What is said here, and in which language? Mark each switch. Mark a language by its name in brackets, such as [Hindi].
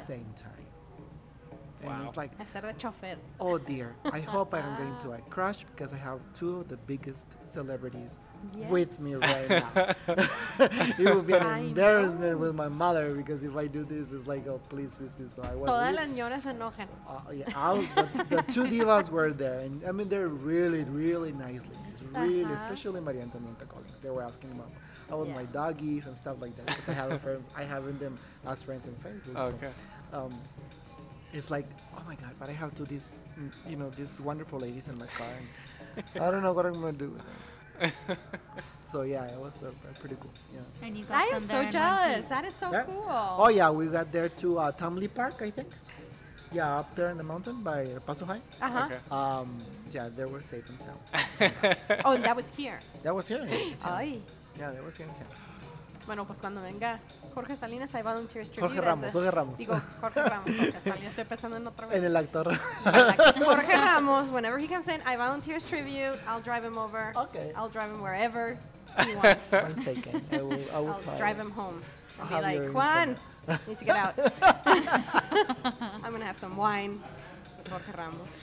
[English] the same time. And wow. It's like, [Spanish] hacer de chofer. [English] Oh dear, I hope I don't get into a crash because I have two of the biggest celebrities yes. with me right now. It would be an embarrassment with my mother because if I do this, it's like, oh, please, please, please. So I was. [Spanish] Todas las señoras se enojan. [English] The two divas were there, and I mean, they're really, really nice ladies, really, uh-huh. especially Maria Antonieta Collins. They were asking about. I want my doggies and stuff like that because I have a friend, I have them as friends on Facebook. Okay. So, it's like, oh my God, but I have two these, you know, these wonderful ladies in my car, and I don't know what I'm gonna do with them. So yeah, it was pretty cool. Yeah. And you got I am so jealous. That is so cool. Oh yeah, we got there to Tamley Park, I think. Yeah, up there in the mountain by Paso High. Uh-huh. Okay. Yeah, they were safe and sound. Oh, and that was here. That was here. Ay. Yeah, that was here in town. [Spanish] Bueno, pues cuando venga Jorge Salinas, [English] I volunteer tribute. [Spanish] Jorge Ramos, Jorge Ramos. Digo, Jorge Ramos, Jorge Salinas. Estoy pensando en otra vez. En el actor. [English] Jorge Ramos, whenever he comes in, I volunteer tribute. I'll drive him over. Okay. I'll drive him wherever he wants. I'm taken. I will I'll drive him home. I'll be like, Juan, need to get out. I'm going to have some wine with Jorge Ramos.